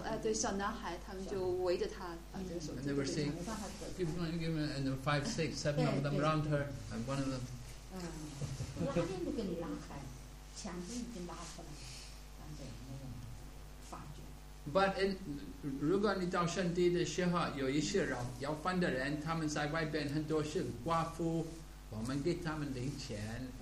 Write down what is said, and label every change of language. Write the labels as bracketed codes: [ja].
[zh] 哎，对小男孩，他们就围着他，把这个手机。 [en] And they were saying, "Give one, give one," and there were five, six, seven of them round her, and one of them. [zh] 拉链都给你拉开，墙都已经拉出来了，但是没有发觉。 But in, 如果你到圣地的时候，有一些人要饭的人，他们在外边很多是寡妇，我们给他们零钱。